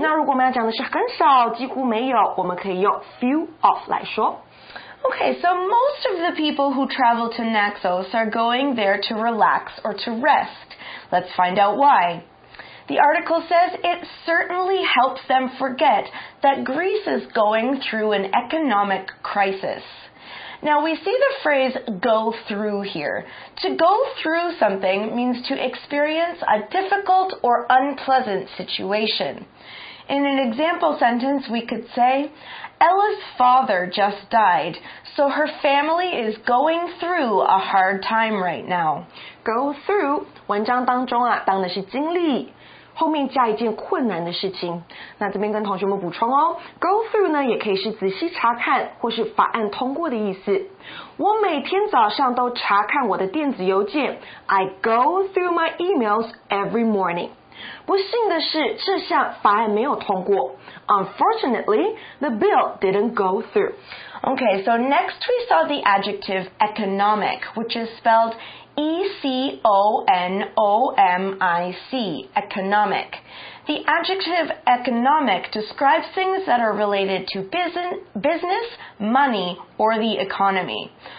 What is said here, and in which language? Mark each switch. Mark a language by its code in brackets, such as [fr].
[zh] 那如果我们要讲的是很少几乎没有我们可以用 few of 来说 [en] Okay, so most of the people who travel to Naxos are going there to relax or to rest. Let's find out why. The article says it certainly helps them forget that Greece is going through an economic crisis. Now, we see the phrase go through here. To go through something means to experience a difficult or unpleasant situation. In an example sentence, we could say, Ella's father just died, so her family is going through a hard time right now. [zh] Go through, 文章当中啊，当的是经历。后面加一件困难的事情，那这边跟同学们补充哦 ，go through 呢也可以是仔细查看或是法案通过的意思。我每天早上都查看我的电子邮件 ， [en] I go through my emails every morning。 [zh] 不幸的是，这项法案没有通过。 [en] Unfortunately, the bill didn't go through. Okay, so next we saw the adjective economic, which is spelled E-C-O-N-O-M-I-C, economic. The adjective economic describes things that are related to business, money, or the economy.